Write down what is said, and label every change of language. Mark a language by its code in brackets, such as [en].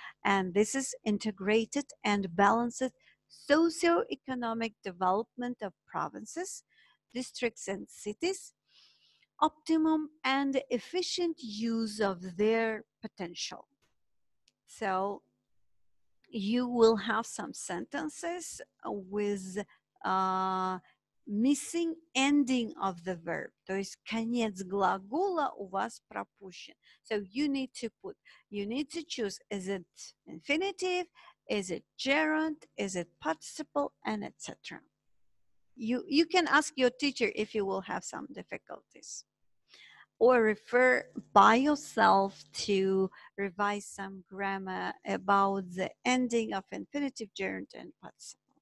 [en] And this is integrated and balanced socioeconomic development of provinces, districts and cities, optimum and efficient use of their potential. So you will have some sentences with missing ending of the verb. [ru] То есть конец глагола у вас пропущен. [en] So you need to put, you need to choose, is it infinitive, is it gerund, is it participle, and etc. You can ask your teacher if you will have some difficulties. Or refer by yourself to revise some grammar about the ending of infinitive, gerund, and participle.